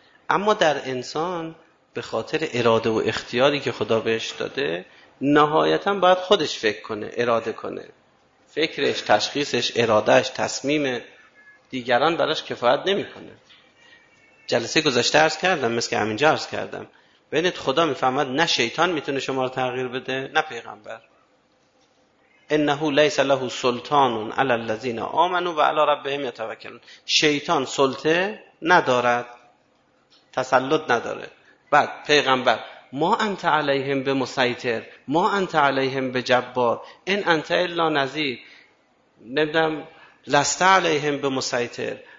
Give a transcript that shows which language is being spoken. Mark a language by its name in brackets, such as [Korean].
[Persian] اما در انسان به خاطر اراده و اختیاری که خدا بهش داده نهایتاً باید خودش فکر کنه، اراده کنه، فکرش، تشخیصش، ارادهش، تصمیم دیگران براش کفایت نمی کنه. جلسه گذشته عرض کردم، مثل که همینجا عرض کردم، ببینید خدا می فهمد نه شیطان میتونه شما رو تغییر بده نه پیغمبر. [Arabic] انه ليس له سلطان على الذين امنوا وعلى ربهم يتوكلون. [Persian] شیطان سلطه ندارد، تسلط نداره. بعد پیغمبر، [Arabic] ما انت علیهم به مسیطر، ما انت علیهم به جبار، ان انت الا نذیر، [Persian] نمیدونم [Arabic] لست علیهم به مسیطر.